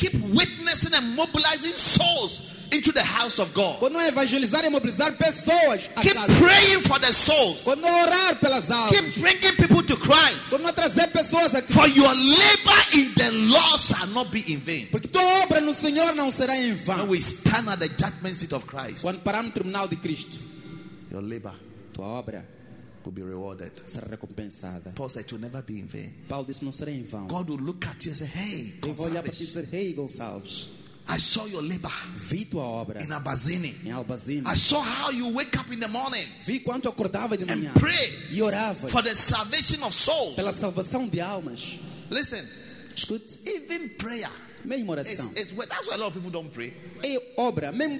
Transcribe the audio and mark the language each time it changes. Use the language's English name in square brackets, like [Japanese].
[English] Keep witnessing and mobilizing souls into the house of God. [Portuguese] Continue a evangelizar e mobilizar pessoas à casa. [English] Keep praying for the souls. [Portuguese] Continue a orar pelas almas. [English] Keep bringing people to Christ. [Portuguese] Continue a trazer pessoas a Cristo. [English] For your labor in the Lord shall not be in vain. [Portuguese] Porque tua obra no Senhor não será em vão. [English] When we stand at the judgment seat of Christ. [Portuguese] Quando paramos no tribunal de Cristo. [English] Your labor. [Portuguese] Tua obra. [English] Will be rewarded. [Portuguese] Será recompensada. [English] Paul said, "It will never be in vain." [Portuguese] Paulo disse, não será em vão. [English] God will look at you and say, "Hey, Gonçalves." [Portuguese] Ele vai olhar para ti e dizer, "Hey, Gonçalves." [English] I saw your labor. [Portuguese] Vi tua obra. [English] In Abazine. [Portuguese] Em Albazine. [English] I saw how you wake up in the morning. [Portuguese] Vi quanto acordava de manhã. [English] And pray. [Portuguese] E orava. [English] For the salvation of souls. [Portuguese] Pela salvação de almas. [English] Listen. [Portuguese] Escute. [English] Even prayer. [Portuguese] Mesmo oração. [English] It's work. That's why a lot of people don't pray. [Portuguese] É obra. Mesmo